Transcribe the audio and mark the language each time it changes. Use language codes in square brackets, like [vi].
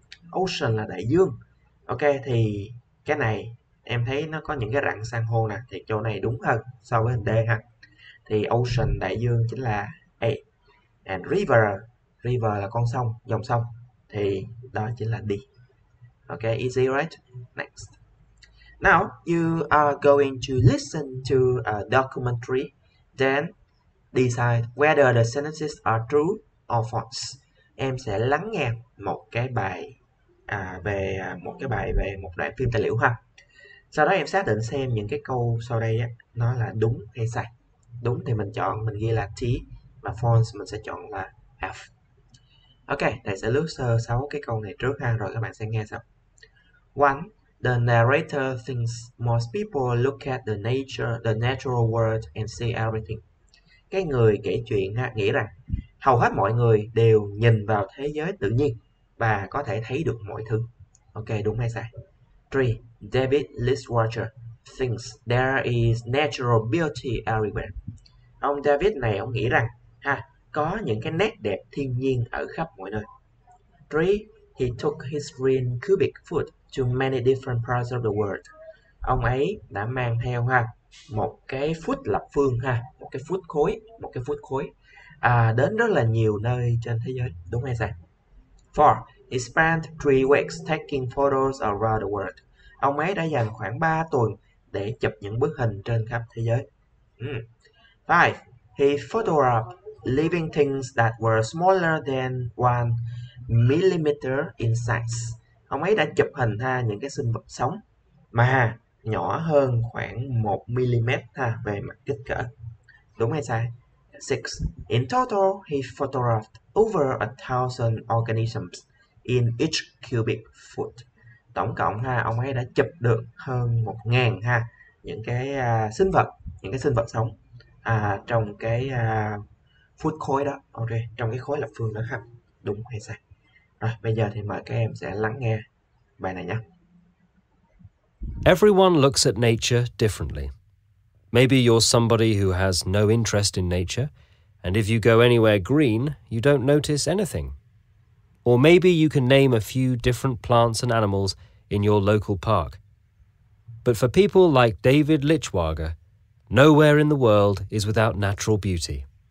[vi] Ocean là đại dương. Ok, thì cái này em thấy nó có những cái rặng san hô nè, thì chỗ này đúng hơn so với hình D ha. Thì ocean, đại dương chính là A. And river, river là con sông, dòng sông, thì đó chính là D. [en] Ok, easy right? Next. Now, you are going to listen to a documentary, then decide whether the sentences are true or false. [vi] Em sẽ lắng nghe một cái bài về một cái bài về một đoạn phim tài liệu ha. Sau đó em xác định xem những cái câu sau đây á, nó là đúng hay sai. Đúng thì mình chọn, mình ghi là T, và false mình sẽ chọn là F. Ok, thầy sẽ lướt sơ 6 cái câu này trước ha, rồi các bạn sẽ nghe sau. 1. [en] The narrator thinks most people look at the natural world and see everything. [vi] Cái người kể chuyện ha, nghĩ rằng hầu hết mọi người đều nhìn vào thế giới tự nhiên và có thể thấy được mọi thứ. Ok, đúng hay sai? 3. [en] David Listwater thinks there is natural beauty everywhere. Ông David này, ông nghĩ rằng ha, [vi] có những cái nét đẹp thiên nhiên ở khắp mọi nơi. 3. [en] He took his green cubic foot to many different parts of the world. [vi] Ông ấy đã mang theo ha một cái foot lập phương ha, một cái foot khối đến rất là nhiều nơi trên thế giới, đúng hay sai? 4. [en] He spent 3 weeks taking photos around the world. [vi] Ông ấy đã dành khoảng 3 tuần để chụp những bức hình trên khắp thế giới. 5. [en] He photographed living things that were smaller than 1 millimeter in size. [vi] Ông ấy đã chụp hình ha những cái sinh vật sống mà nhỏ hơn khoảng 1 millimeter ha về mặt kích cỡ. Đúng hay sai? 6. [en] In total, he photographed over 1,000 organisms in each cubic foot. [vi] Tổng cộng ha, ông ấy đã chụp được hơn 1,000 ha những cái sinh vật sống trong cái foot khối đó. Ok, trong cái khối lập phương đó ha. Đúng hay sai? Rồi, bây giờ thì mời các em sẽ lắng nghe bài này nhé. [en] Everyone looks at nature differently. Maybe you're somebody who has no interest in nature, and if you go anywhere green, you don't notice anything. Or maybe you can name a few different plants and animals in your local park. But for people like David Lichwager, nowhere in the world is without natural beauty.